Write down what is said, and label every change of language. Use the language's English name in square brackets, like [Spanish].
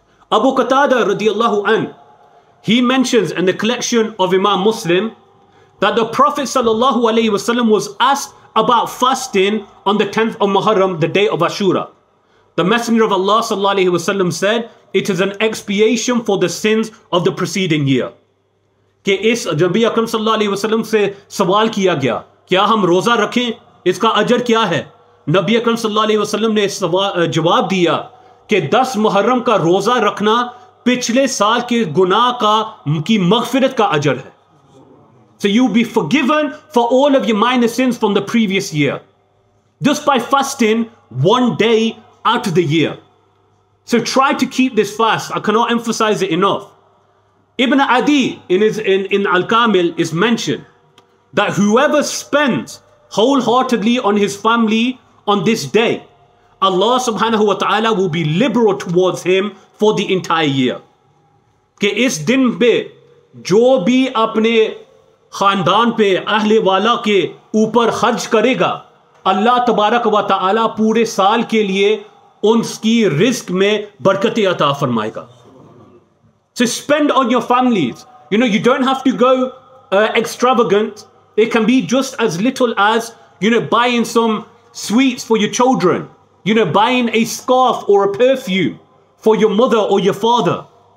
[English] Abu Qatada radiallahu an, he mentions in the collection of Imam Muslim that the Prophet sallallahu alayhi wasallam was asked about fasting on the 10th of Muharram, the day of Ashura. The Messenger of Allah sallallahu alayhi wasallam said, it is an expiation for the sins of the preceding year. [Urdu] کہ اس جب اکرم صلی اللہ علیہ وسلم سے سوال کیا گیا کیا ہم روزہ رکھیں اس کا اجر کیا ہے, نبی اکرم صلی اللہ علیہ وسلم نے جواب دیا کہ 10 محرم کا روزہ رکھنا پچھلے سال کے گناہ کا کی مغفرت کا اجر ہے. [English] So you'll be forgiven for all of your minor sins from the previous year just by fasting one day out of the year. So try to keep this fast. I cannot emphasize it enough. Ibn Adi in Al-Kamil is mentioned that whoever spends wholeheartedly on his family on this day, Allah subhanahu wa ta'ala will be liberal towards him for the entire year. [Urdu] کہ اس دن پہ جو بھی اپنے خاندان پہ اہل والا کے اوپر خرچ کرے گا اللہ تبارک و تعالی پورے سال کے لیے ان کی رزق میں برکتیں عطا فرمائے گا. [English] So spend on your families. You know, you don't have to go extravagant. It can be just as little as, you know, buying some sweets for your children. You know, buying a scarf or a perfume for your mother or your father.